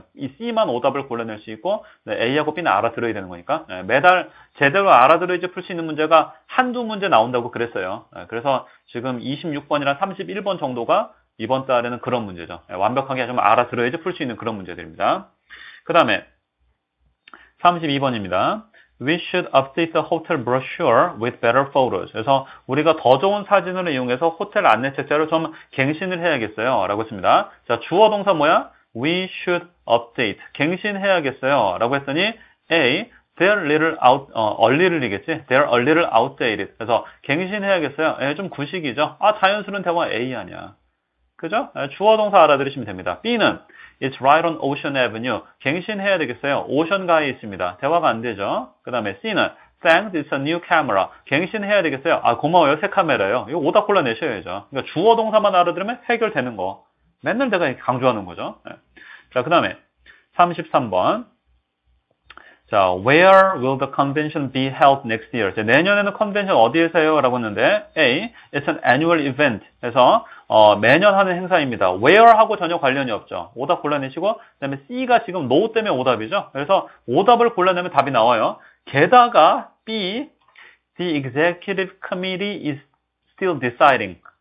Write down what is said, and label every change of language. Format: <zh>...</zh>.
<ko>이 C만 오답을 골라낼 수 있고, A하고 B는 알아들어야 되는 거니까. 매달 제대로 알아들어야지 풀수 있는 문제가 한두 문제 나온다고 그랬어요. 그래서 지금 26번이랑 31번 정도가 이번 달에는 그런 문제죠. 완벽하게 좀 알아들어야지 풀수 있는 그런 문제들입니다. 그 다음에 32번입니다.</ko> <en>We should update the hotel brochure with better photos.</en> <ko>그래서 우리가 더 좋은 사진을 이용해서 호텔 안내 책자를 좀 갱신을 해야겠어요. 라고 했습니다. 자, 주어 동사 뭐야?</ko> <en>We should update.</en> <ko>갱신해야겠어요. 라고 했더니 A,</ko> <en>they're a little out, early</en> <ko>이겠지?</ko> <en>They're a little outdated.</en> <ko>그래서 갱신해야겠어요. 좀 구식이죠? 아, 자연스러운 대화 A 아니야. 그죠? 주어 동사 알아들으시면 됩니다. B는</ko> <en>It's right on Ocean Avenue.</en> <ko>갱신해야 되겠어요. 오션가에 있습니다. 대화가 안 되죠. 그 다음에 C는</ko> <en>Thanks, it's a new camera.</en> <ko>갱신해야 되겠어요. 아, 고마워요. 새 카메라요. 이거 오답 골라내셔야죠. 그러니까 주어 동사만 알아들으면 해결되는 거. 맨날 내가 강조하는 거죠. 자, 그 다음에 33번.</ko> <en>자, Where will the convention be held next year?</en> <ko>자, 내년에는 컨벤션 어디에서요? 라고 했는데</ko> <en>A, it's an annual event.</en> <ko>그래서 매년 하는 행사입니다. Where 하고 전혀 관련이 없죠. 오답 골라내시고 그다음에 C가 지금 No 때문에 오답이죠. 그래서 오답을 골라내면 답이 나와요. 게다가</ko> <en>B, the executive committee is still deciding.</en>